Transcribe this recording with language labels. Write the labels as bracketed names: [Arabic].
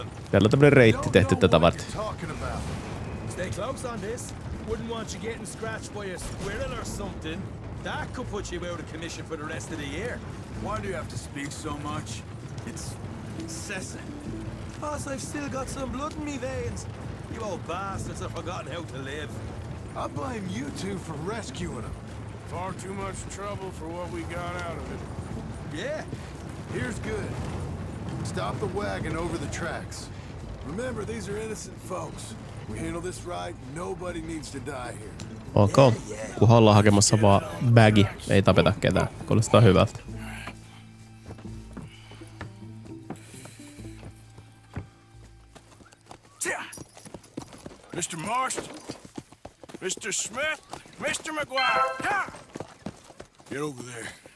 [Finnish] Täällä on tämmönen reitti tehty tätä varten. [English] Stay close on this. Wouldn't want you getting scratched by a squirrel or something. That could put you out of commission for the rest of the year. Why do you have to speak so much? It's incessant. Boss, I've still got some blood in me veins. You old bastards have forgotten how to live. I blame you two for rescuing them. Far too much trouble for what we got out of it. Yeah. Here's good. Stop the wagon over the tracks. Remember, these are innocent folks. We handle this right, nobody needs to die here. [Finnish] Ok, kunhan ollaan hakemassa vaan bagi, ei tapeta ketään. Kuulostaa hyvältä. [English] Mr. Marst, Mr. Smith, Mr. McGuire. Get over there.